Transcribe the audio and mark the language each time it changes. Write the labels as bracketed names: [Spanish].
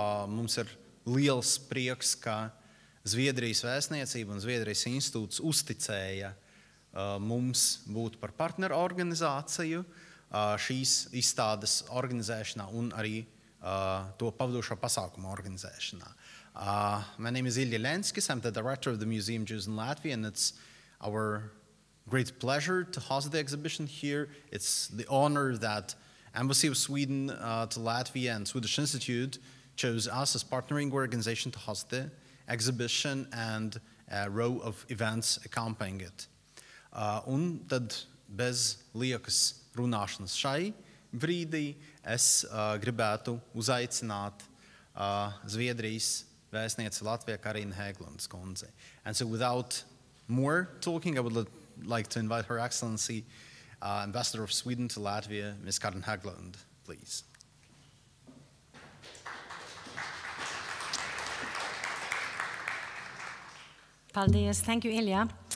[Latvian] Mums ir liels prieks, ka Zviedrijas vēstniecība un Zviedrijas institūts uzticēja mums būt par partneru organizāciju šīs izstādes organizēšanā un arī to pavadošo pasākumu organizēšanā. [English] My name is Ilja Lenskis, I'm the director of the Museum of Jews in Latvia, and it's our great pleasure to host the exhibition here. It's the honor that Embassy of Sweden to Latvia and Swedish Institute chose us as partnering organization to host the exhibition and a row of events accompanying it. [Latvian] Un tad bez liekas runāšanas šai brīdī es gribētu uzaicināt Zviedrijas vēstniece Latvijā Karīna Hēglunds kundze. [English] And so without more talking, I would like to invite Her Excellency, Ambassador of Sweden to Latvia, Ms. Karin Hägglund, please. [Latvian] Paldies, [English] thank you, Ilja.